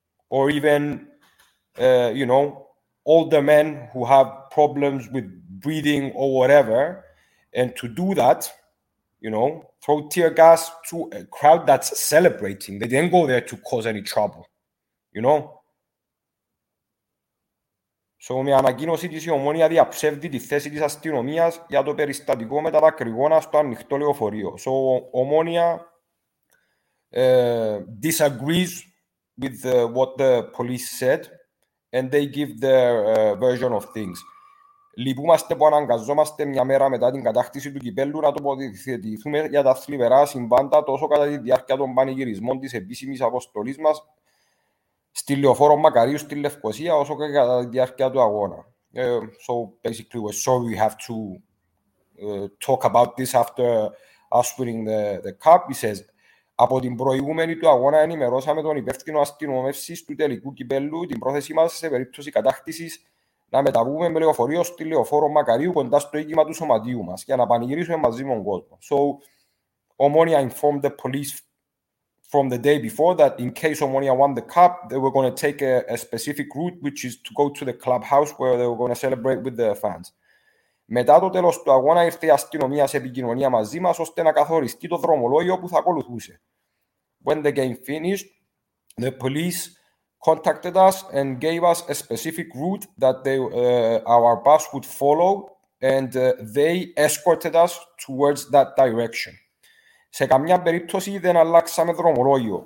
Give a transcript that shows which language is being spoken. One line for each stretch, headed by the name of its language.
English: or even, you know, older men who have problems with breathing or whatever, and to do that, you know, throw tear gas to a crowd that's celebrating. They didn't go there to cause any trouble, you know.
Greek: So, με ανακοίνωση της Ομόνοια διαψεύδει τη θέση της αστυνομίας για το περιστατικό με τα δακρυγόνα στο ανοιχτό λεωφορείο.
English: So, Ομόνοια disagrees with what the police said and they give their version of things.
Greek: Λυπούμαστε που αναγκαζόμαστε μια μέρα μετά την κατάκτηση του κυπέλλου να τοποθετηθούμε για τα θλιβερά συμβάντα τόσο κατά τη διάρκεια των πανηγυρισμών της επίσημης αποστολής μας στη λεωφόρο Μακαρίου στη Λευκοσία όσο και κατά τη διάρκεια του αγώνα.
English: So basically we're sorry we have to talk about this after us winning the cup. He says,
Greek: από την προηγούμενη του αγώνα ενημερώσαμε τον υπεύθυνο αστυνομεύσης του τελικού κυπέλλου την πρόθεσή μας σε περίπτωση κατάκτησης να μεταβούμε με λεωφορείο στη λεωφόρο Μακαρίου κοντά στο οίκημα του σωματείου μας για να πανηγυρίσουμε μαζί με τον κόσμο.
English: So, Omonoia informed the police from the day before that in case Omonoia won the cup, they were going to take a specific route, which is to go to the clubhouse where they were going to celebrate with the fans.
Greek: Μετά το τέλος του αγώνα ήρθε η αστυνομία σε επικοινωνία μαζί μας ώστε να καθοριστεί το δρομολόγιο που θα ακολουθούσε.
English: When the game finished, the police contacted us and gave us a specific route that our bus would follow, and they escorted us towards that direction.
Greek: Σε καμιά περίπτωση δεν αλλάξαμε δρομολόγιο.